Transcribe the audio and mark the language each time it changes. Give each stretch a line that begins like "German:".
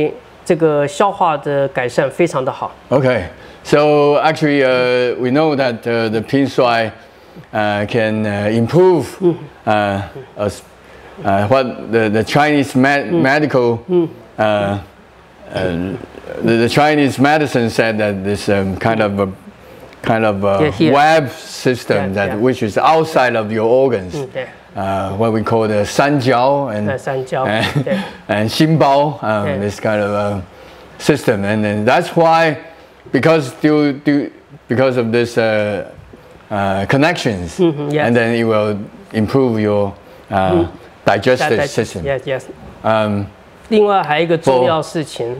Chinese: 所以它这个心包三焦改善之后呢，我们的这个地方，肝胆脾胃的消化就会改善，所以对这个消化的改善非常的好。
English: Okay. So actually, we know that the Pingshuai can improve what the Chinese medical the Chinese medicine said that this kind of web system which is outside of your organs, what we call the sanjiao and xinbao, this kind of system, and then that's why because of this connections, and then it will improve your digestive system. Yes.
Chinese: 另外还有一个重要事情,